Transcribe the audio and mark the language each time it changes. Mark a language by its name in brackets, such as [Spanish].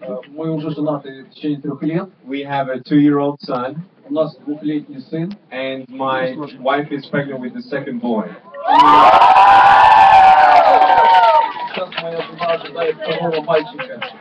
[Russian] Мы уже женаты в течение 3 лет. [English] We have a 2-year-old son. [Russian] У нас 2-летний сын. [English] And my wife is pregnant with the second boy. [Russian] Сейчас моя жена ожидает второго мальчика.